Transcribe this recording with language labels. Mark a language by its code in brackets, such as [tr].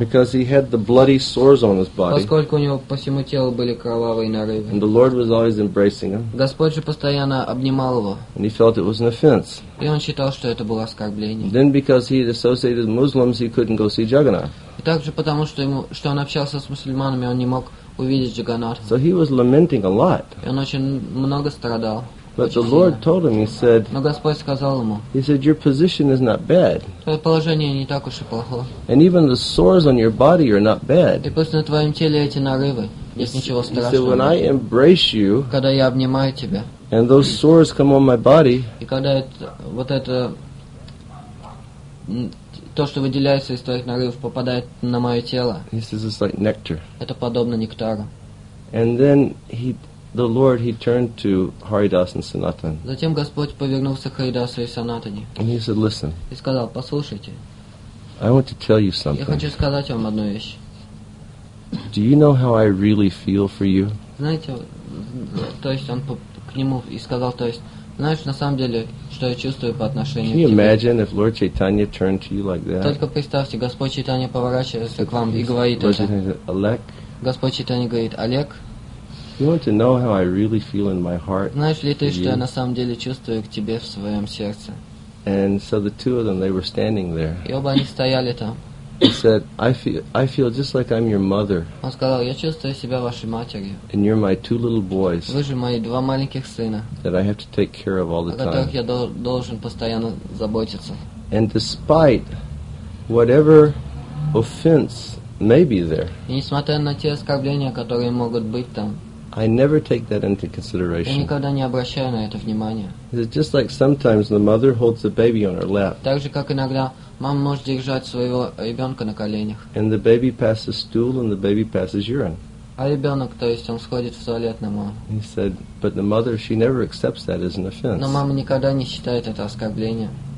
[en] Because he had the bloody sores on his body. [ru] Поскольку у него по всему телу были кровавые нарывы. [en] And the Lord was always embracing him. [ru] Господь же постоянно обнимал его. [en] And he felt it was an offense. [ru] И он считал, что это было оскорбление. [en] Then because he had associated with Muslims, he couldn't go see Jagannath. [ru] И также потому, что он общался с мусульманами, он не мог увидеть Джаганнатха. [en] So he was lamenting a lot. [ru] И он очень много страдал. [en] But the Lord told him, [ru] Но Господь сказал ему, [en] He said, your position is not bad. [ru] Твое положение не так уж и плохо. [en] And even the sores on your body are not bad. [ru] И пусть на твоем теле эти нарывы, есть ничего страшного. [en] He said, when I embrace you, [ru] когда я обнимаю тебя, [en] and those sores come on my body, [ru] и когда это, вот это, то, что выделяется из твоих нарывов, попадает на мое тело, [en] He says, it's like nectar. [ru] Это подобно нектару. [en] And then he The Lord, he turned to Haridas and Sanatan. [ru] Затем Господь повернулся к Харидасу и Санатане. [en] And he said, listen. [ru] И сказал, послушайте. [en] I want to tell you something. [ru] Я хочу сказать вам одну вещь. [en] Do you know how I really feel for you? [ru] Знаете, то есть он к нему и сказал, то есть, знаешь, на самом деле, что я чувствую по отношению к тебе. [en] Can you imagine if Lord Chaitanya turned to you like that? [ru] Только представьте, Господь Чайтанья поворачивается к вам и говорит это. [en] Lord Chaitanya, Олег. [ru] Господь Чайтанья говорит, Олег. [en] You want to know how I really feel in my heart? [ru] Знаешь ли ты, что я на самом деле чувствую к тебе в своем сердце? [en] And so the two of them, they were standing there. [ru] И оба они стояли там. [en] He said, I feel just like I'm your mother. [ru] Он сказал, я чувствую себя вашей матерью. [en] And you're my two little boys. [ru] Вы же мои два маленьких сына. [en] That I have to take care of all the time. [ru] О которых я должен постоянно заботиться. [en] And despite whatever offense may be there. [ru] И несмотря на те оскорбления, которые могут быть там. [en] I never take that into consideration. [ru] Я никогда не обращаю на это внимания. [en] It's just like sometimes the mother holds the baby on her lap. [ru] Так же, как иногда мама может держать своего ребенка на коленях. [en] And the baby passes stool and the baby passes urine. [ru] А ребенок, то есть он сходит в туалет на маму. [en] He said, but the mother, she never accepts that as an offense. [ru] Но мама никогда не считает это оскорблением.